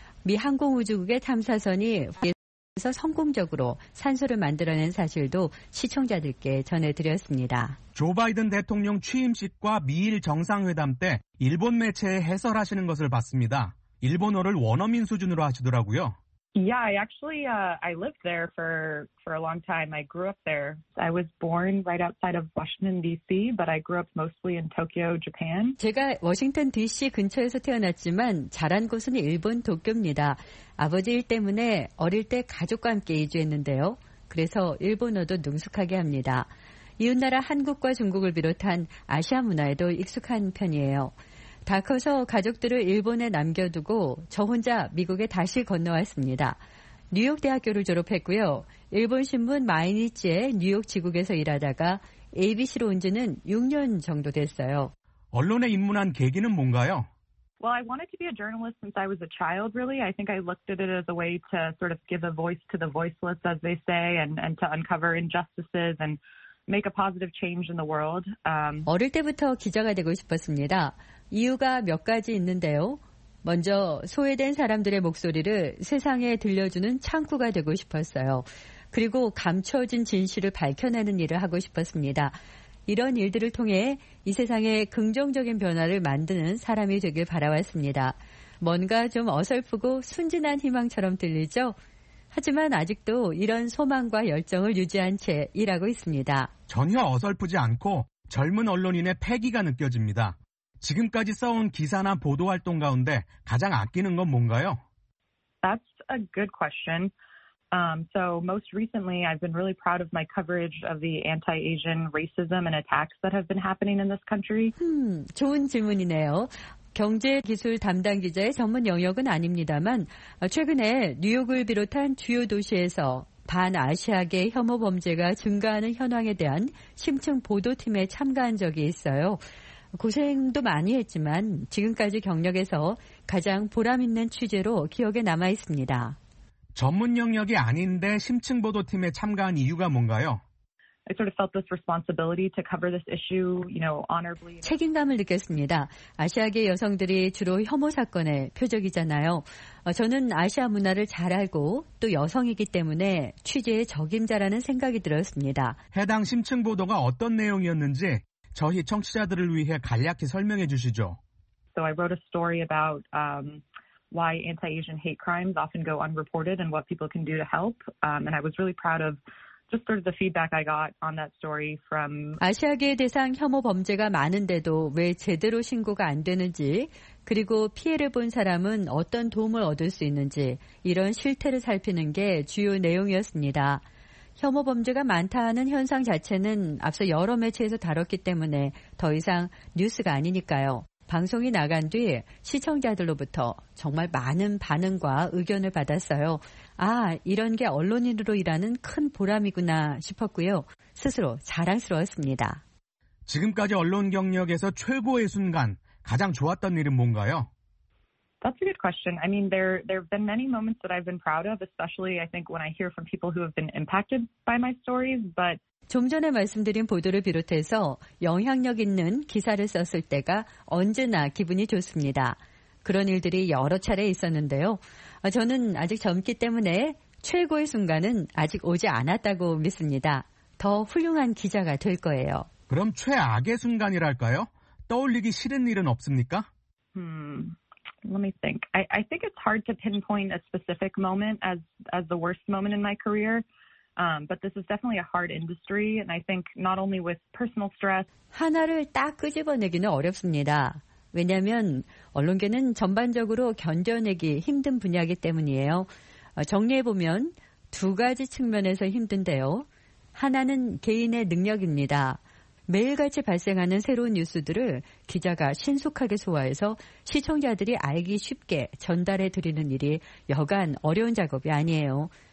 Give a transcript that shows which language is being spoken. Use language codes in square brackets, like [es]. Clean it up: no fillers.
[ko] 미 항공우주국의 탐사선이 화성에서 성공적으로 산소를 만들어낸 사실도 시청자들께 전해드렸습니다. 조 바이든 대통령 취임식과 미일 정상회담 때 일본 매체에 해설하시는 것을 봤습니다. 일본어를 원어민 수준으로 하시더라고요. [en] Yeah, I lived there for a long time. I grew up there. I was born right outside of Washington D.C., but I grew up mostly in Tokyo, Japan. [ko] 제가 워싱턴 D.C. 근처에서 태어났지만 자란 곳은 일본 도쿄입니다. 아버지 일 때문에 어릴 때 가족과 함께 이주했는데요. 그래서 일본어도 능숙하게 합니다. 이웃나라 한국과 중국을 비롯한 아시아 문화에도 익숙한 편이에요. 다 커서 가족들을 일본에 남겨두고 저 혼자 미국에 다시 건너왔습니다. 뉴욕 대학교를 졸업했고요. 일본 신문 마이니치의 뉴욕 지국에서 일하다가 ABC로 온 지는 6년 정도 됐어요. 언론에 입문한 계기는 뭔가요? [en] Well, I wanted to be a journalist since I was a child, really. I think I looked at it as a way to sort of give a voice to the voiceless, as they say, and to uncover injustices and make a positive change in the world. [ko] 어릴 때부터 기자가 되고 싶었습니다. 이유가 몇 가지 있는데요. 먼저 소외된 사람들의 목소리를 세상에 들려주는 창구가 되고 싶었어요. 그리고 감춰진 진실을 밝혀내는 일을 하고 싶었습니다. 이런 일들을 통해 이 세상에 긍정적인 변화를 만드는 사람이 되길 바라왔습니다. 뭔가 좀 어설프고 순진한 희망처럼 들리죠? 하지만 아직도 이런 소망과 열정을 유지한 채 일하고 있습니다. 전혀 어설프지 않고 젊은 언론인의 패기가 느껴집니다. 지금까지 써온 기사나 보도 활동 가운데 가장 아끼는 건 뭔가요? [en] That's a good question. So most recently I've been really proud of my coverage of the anti-Asian racism and attacks that have been happening in this country. [ko] 좋은 질문이네요. 경제 기술 담당 기자의 전문 영역은 아닙니다만 최근에 뉴욕을 비롯한 주요 도시에서 반아시아계 혐오 범죄가 증가하는 현황에 대한 심층 보도팀에 참가한 적이 있어요. 고생도 많이 했지만 지금까지 경력에서 가장 보람있는 취재로 기억에 남아있습니다. 전문 영역이 아닌데 심층 보도팀에 참가한 이유가 뭔가요? [en] I sort of felt this responsibility to cover this issue, you know, honorably. [ko] 책임감을 느꼈습니다. 아시아계 여성들이 주로 혐오 사건의 표적이잖아요. 저는 아시아 문화를 잘 알고 또 여성이기 때문에 취재의 적임자라는 생각이 들었습니다. 해당 심층 보도가 어떤 내용이었는지 저희 청취자들을 위해 간략히 설명해 주시죠. [en] So I wrote a story about why anti-Asian hate crimes often go unreported and what people can do to help. And I was really proud of just sort of the feedback I got on that story from [ko] 아시아계 대상 혐오 범죄가 많은데도 왜 제대로 신고가 안 되는지 그리고 피해를 본 사람은 어떤 도움을 얻을 수 있는지 이런 실태를 살피는 게 주요 내용이었습니다. 혐오 범죄가 많다 하는 현상 자체는 앞서 여러 매체에서 다뤘기 때문에 더 이상 뉴스가 아니니까요. 방송이 나간 뒤 시청자들로부터 정말 많은 반응과 의견을 받았어요. 아, 이런 게 언론인으로 일하는 큰 보람이구나 싶었고요. 스스로 자랑스러웠습니다. 지금까지 언론 경력에서 최고의 순간, 가장 좋았던 일은 뭔가요? [en] That's a good question. I mean, there have been many moments that I've been proud of, especially I think when I hear from people who have been impacted by my stories. But [ko] 좀 전에 말씀드린 보도를 비롯해서 영향력 있는 기사를 썼을 때가 언제나 기분이 좋습니다. 그런 일들이 여러 차례 있었는데요. 저는 아직 젊기 때문에 최고의 순간은 아직 오지 않았다고 믿습니다. 더 훌륭한 기자가 될 거예요. 그럼 최악의 순간이랄까요? 떠올리기 싫은 일은 없습니까? [en] Let me think. I think it's hard to pinpoint a specific moment as the worst moment in my career. But this is definitely a hard industry, and I think not only with personal stress. [ko] 하나를 딱 끄집어내기는 어렵습니다. 왜냐하면 언론계는 전반적으로 견뎌내기 힘든 분야이기 때문이에요. 정리해 보면 두 가지 측면에서 힘든데요. 하나는 개인의 능력입니다. 매일같이 발생하는 새로운 뉴스들을 기자가 신속하게 소화해서 시청자들이 알기 쉽게 전달해 드리는 일이 여간 어려운 작업이 아니에요.